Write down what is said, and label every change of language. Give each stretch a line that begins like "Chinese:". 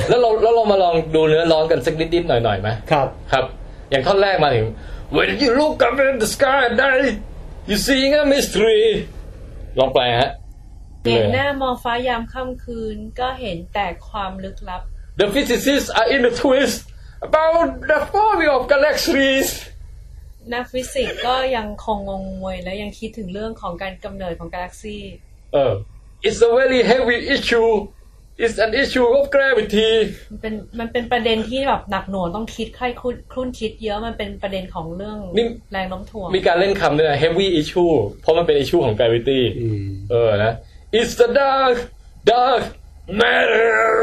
Thai: แล้วเรามาลองดูเนื้อร้องกันสักนิดๆหน่อยๆไหม ครับ ครับอย่างท่อนแรกมาถึง
English: When you look up in the sky at night you seeing a mystery
Thai: ลองแปลฮะ เห็นหน้ามองฟ้ายามค่ำคืนก็เห็นแต่ความลึกลับ
English: The physicists are in a twist about the forming of galaxies
Thai: นักฟิสิกส์ก็ยังคงงงงวยและยังคิดถึงเรื่องของการกำเนิดของกาแล็กซี่เออ
English: It's a very heavy issue is an issue of gravity
Thai: มันเป็นประเด็นที่แบบหนักหน่วงต้องคิดค่อยครุ่นคิดเยอะมันเป็นประเด็นของเรื่องแรงโน้มถ่วง มีการเล่นคำด้วยนะ heavy issue เพราะมันเป็น issue ของ gravity เออนะ
English: is the dark matter